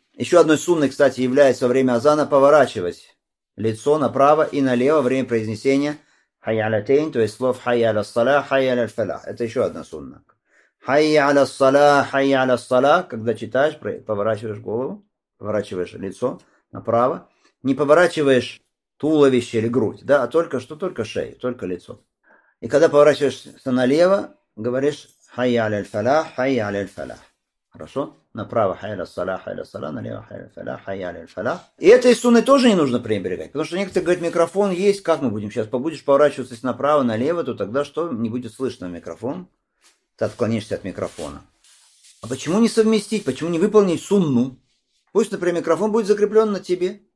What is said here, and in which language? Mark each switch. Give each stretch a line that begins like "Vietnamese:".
Russian: Еще одной сунной, кстати, является во время азана поворачивать лицо направо и налево во время произнесения хайялятейн, то есть слов хайяля сала, хайяля фалах. Это еще одна сунна. Хайяля сала, хайяля сала. Когда читаешь, поворачиваешь голову, поворачиваешь лицо направо. Не поворачиваешь туловище или грудь, да, а только что только шею, только лицо. И когда поворачиваешься налево, говоришь
Arabic: حي على الفلاح، حي على الفلاح.
Russian: Хорошо? Направо хай ля саля, хай ля саля, налево хай ля фаля, хай я ля фаля. И этой сунны тоже не нужно пренебрегать, потому что некоторые говорят, микрофон есть, как мы будем сейчас? Побудешь поворачиваться здесь направо, налево, то тогда что? Не будет слышно микрофон. Ты отклонишься от микрофона. А почему не совместить? Почему не выполнить сунну? Пусть, например, микрофон будет закреплен на тебе.